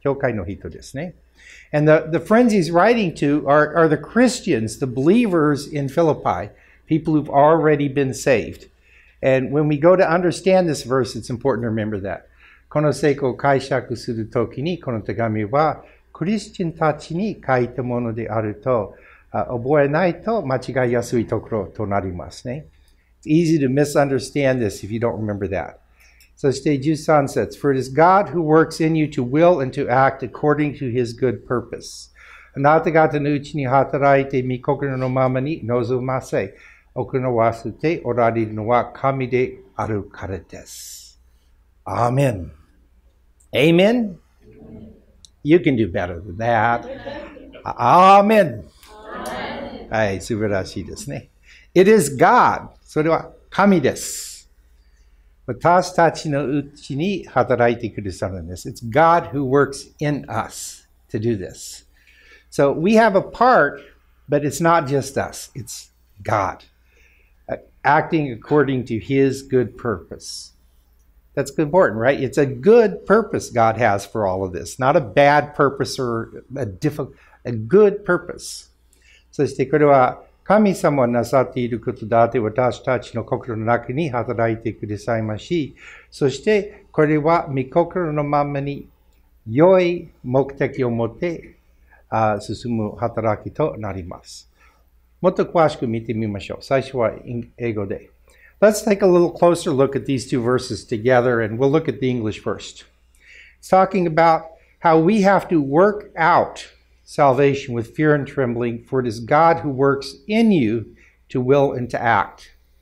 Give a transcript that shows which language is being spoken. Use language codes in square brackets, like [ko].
[ja] 教会の人ですね。 [en] And the friends he's writing to are the Christians, the believers in Philippi, people who've already been saved. And when we go to understand this verse, it's important to remember that. [ja] この聖句を解釈するときに、この手紙はクリスチャンたちに書いたものであると、覚えないと間違いやすいところとなりますね。 [en] It's easy to misunderstand this if you don't remember that. So stay 13 sets. For it is God who works in you to will and to act according to his good purpose. [ja] あなた方のうちに働いて御心のままに望ませ、行わせておられるのは神であるからです。 [en] Amen. Amen? You can do better than that. Amen. Amen. [ja] はい、素晴らしいですね。 [en] It is God. [ja] それは神です。私たちのうちに働いてくださるんです。 [en] It's God who works in us to do this. So we have a part, but it's not just us. It's God. Acting according to His good purpose. That's important, right? It's a good purpose God has for all of this. Not a bad purpose or a good purpose. [ja] そしてこれは神様はなさっていることだって私たちの心の中に働いてくださいまし、そしてこれは御心のままに良い目的を持って進む働きとなります。もっと詳しく見てみましょう。最初は英語で。 [en] Let's take a little closer look at these two verses together and we'll look at the English first. It's talking about how we have to work outSalvation with fear and trembling, for it is God who works in you to will and to act.